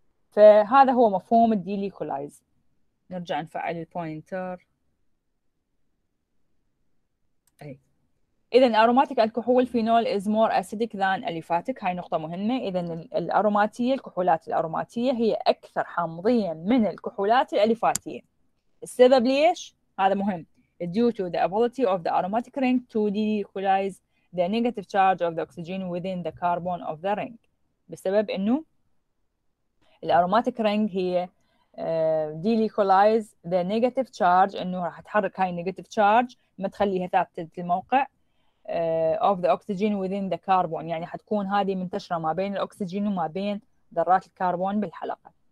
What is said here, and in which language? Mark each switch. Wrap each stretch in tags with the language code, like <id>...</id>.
<ar>فهذا هو مفهوم الديليكولايز. نرجع نفعل البوينتر. اي اذا</ar> <en>aromatic الكحول phenol is more acidic than aliphatic,</en> <ar>هاي نقطه مهمه. اذا الاروماتيه، الكحولات الاروماتيه هي اكثر حامضيه من الكحولات الاليفاتيه. السبب ليش؟ هذا مهم.</ar> <en>due to the ability of the aromatic ring to decolize the negative charge of the oxygen within the carbon of the ring.</en> <ar>بسبب انه الاروماتيك رينج هي</ar> <en>decolize the negative charge،</en> <ar>انه راح تحرك هاي النيجاتيف تشارج، ما تخليها ثابته في الموقع.</ar> <en>Of the oxygen within the carbon،</en> <ar>يعني حتكون هذه منتشرة ما بين الأكسجين وما بين ذرات الكربون بالحلقة.</ar>